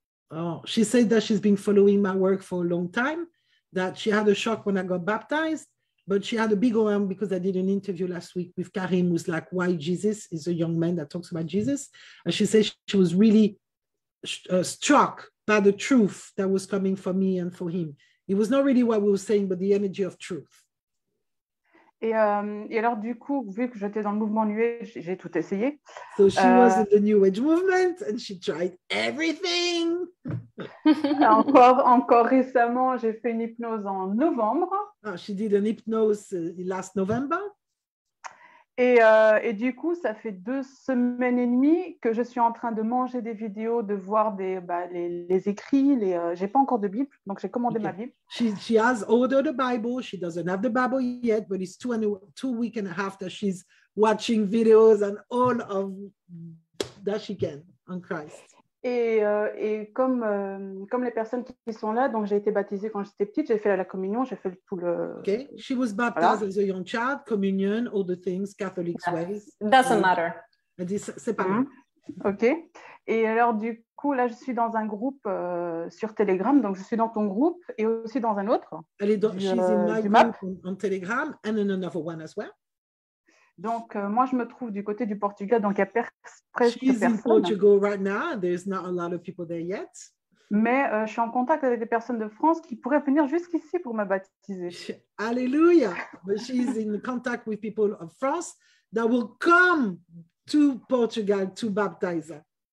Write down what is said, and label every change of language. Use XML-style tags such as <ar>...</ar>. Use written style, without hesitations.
<en>Oh, she said that she's been following my work for a long time, that she had a shock when I got baptized, but she had a big one because I did an interview last week with Karim, who's like, why Jesus is a young man that talks about Jesus. And she said she was really struck by the truth that was coming for me and for him. It was not really what we were saying, but the energy of truth.</en> <fr>Et alors du coup, vu que j'étais dans le mouvement New Age, j'ai tout essayé.</fr> <en>So she was in the New Age movement and she tried everything.</en> <fr>Encore récemment, j'ai fait une hypnose en novembre.</fr> <en>Oh, she did an hypnose last November.</en> <fr>Et du coup, ça fait 2 semaines et demie que je suis en train de manger des vidéos, de voir des, les écrits. J'ai pas encore de Bible, donc j'ai commandé ma Bible.</fr> <en>She has ordered a Bible. She doesn't have the Bible yet, but it's two week and a half that she's watching videos and all of that she can on Christ.</en> <fr>Et comme les personnes qui sont là, donc j'ai été baptisée quand j'étais petite, j'ai fait la communion, j'ai fait tout le...</fr> <en>Okay, she was baptized as a young child, communion, all the things, Catholic ways. Doesn't matter.</en> <fr>C'est pas grave. Ok, et alors du coup, là je suis dans un groupe sur Telegram, donc je suis dans ton groupe et aussi dans un autre. Elle est dans</fr> <en>Telegram and in another one as well.</en> <fr>Donc, moi, je me trouve du côté du Portugal, donc il y a presque</fr> <en>She's</en> <fr>personne.</fr> <en>In Portugal right now. There's not a lot of people there yet.</en> <fr>Mais je suis en contact avec des personnes de France qui pourraient venir jusqu'ici pour me baptiser. Alléluia!</fr> <en>But she's in contact with people of France that will come to Portugal to baptize her.</en>